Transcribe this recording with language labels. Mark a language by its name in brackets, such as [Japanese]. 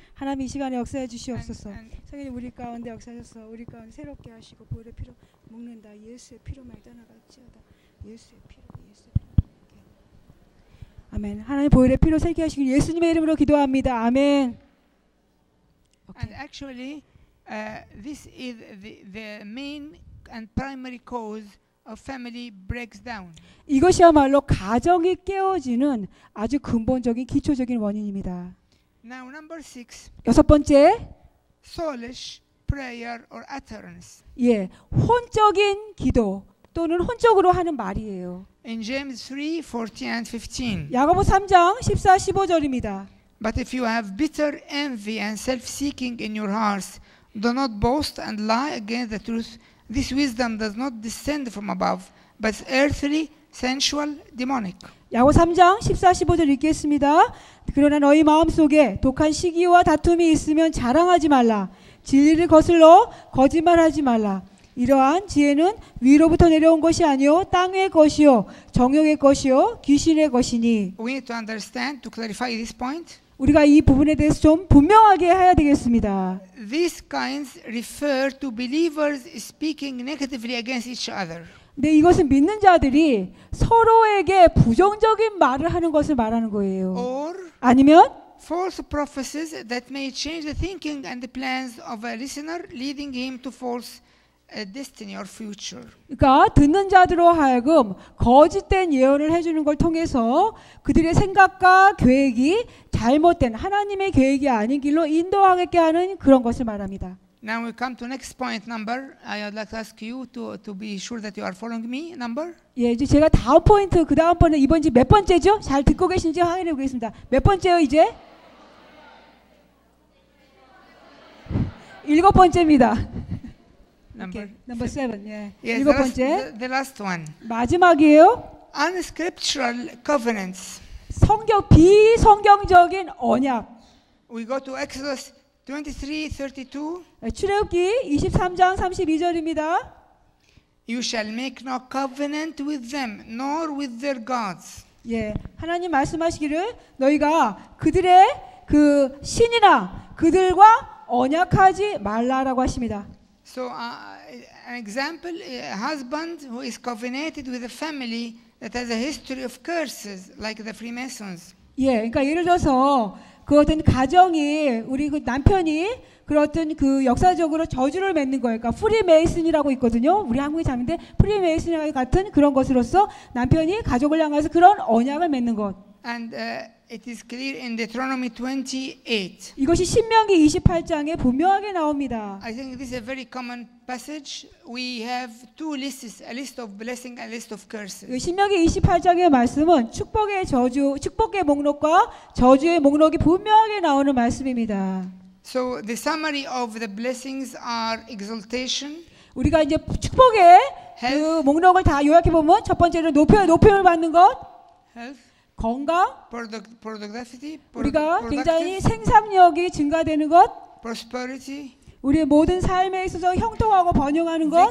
[Korean] 하나님 이 시간에 역사해 주시옵소서. 성령님 우리 가운데 역사하셔서 우리 가운데 새롭게 하시고 부활의 피로 묶는다. 예수의 피로만 떠나갈지어다. 예수의 피로 예수의 피로 아멘. 하나님 부활의 피로 새롭게 하시길 예수님의 이름으로 기도합니다. 아멘. [English] Okay. And actually this is the main and primary cause a family breaks down. [Korean] 이것이야말로 가정이 깨어지는 아주 근본적인 기초적인 원인입니다. [English] Now number six. [Korean] 여섯 번째. [English] Soulish prayer or utterance. [Korean] 예, 혼적인 기도 또는 혼적으로 하는 말이에요. [English] In James 3:14-15. [Korean] 야고보 3장 14, 15절입니다. [English] But if you have bitter envy and self-seeking in your hearts, do not boast and lie against the truth. This wisdom does not descend from above, but earthly, sensual, demonic. [Korean] 야고 3장 14, 15절 읽겠습니다. 그러나 너희 마음 속에 독한 시기와 다툼이 있으면 자랑하지 말라. 진리를 거슬러 거짓말하지 말라. 이러한 지혜는 위로부터 내려온 것이 아니요 땅의 것이요 정욕의 것이요 귀신의 것이니. [English] We need to understand to clarify this point. [Korean] 우리가 이 부분에 대해서 좀 분명하게 해야 되겠습니다. [English] These kinds refer to believers speaking negatively against each other. [Korean] 네, 이것은 믿는 자들이 서로에게 부정적인 말을 하는 것을 말하는 거예요. [English] Or [Korean] 아니면 [English] false prophecies that may change the thinking and the plans of a listener, leading him to false destiny or future. [Korean] 그러니까 듣는 자들로 하여금 거짓된 예언을 해주는 걸 통해서 그들의 생각과 계획이 잘못된 하나님의 계획이 아닌 길로 인도하게 하는 그런 것을 말합니다. [English] Now we come to next point number. I would like to ask you to be sure that you are following me. Number. [Korean] 예, 이제 제가 다음 포인트 그 다음 번은 이번 주 몇 번째죠? 잘 듣고 계신지 확인해 보겠습니다. 몇 번째요 이제? 일곱 번째입니다. [English] Number, okay, number seven. Yeah. Yes, the last one. [Korean] 마지막이에요. [English] Unscriptural covenants. [Korean] 성경 비성경적인 언약. [English] We go to Exodus 23:32. [Korean] 출애굽기 23장 32절입니다. [English] You shall make no covenant with them, nor with their gods. [Korean] 예, 하나님 말씀하시기를 너희가 그들의 그 신이나 그들과 언약하지 말라라고 하십니다. [English] So an example, a husband who is covenanted with a family that has a history of curses, like the Freemasons. [Korean] 예, 그러니까 예를 들어서 그 어떤 가정이 우리 그 남편이 그 어떤 그 역사적으로 저주를 맺는 거예요. 그러니까 프리메이슨이라고 있거든요. 우리 한국에 잡는데 프리메이슨과 같은 그런 것으로서 남편이 가족을 향해서 그런 언약을 맺는 것. [English] And it is clear in Deuteronomy 28. [Korean] 이것이 신명기 28장에 분명하게 나옵니다. [English] I think this is a very common passage. We have two lists, a list of blessing and a list of curses. [Korean] 신명기 28장의 말씀은 축복의 저주, 축복의 목록과 저주의 목록이 분명하게 나오는 말씀입니다. [English] So the summary of the blessings are exaltation. [Korean] 우리가 이제 축복의 health, 그 목록을 다 요약해 보면 첫 번째는 높임을 받는 것. [English] Health. [Korean] 건강, [English] productivity, [Korean] 우리가 굉장히 생산력이 증가되는 것, [English] prosperity, [Korean] 우리의 모든 삶에 있어서 형통하고 번영하는 것,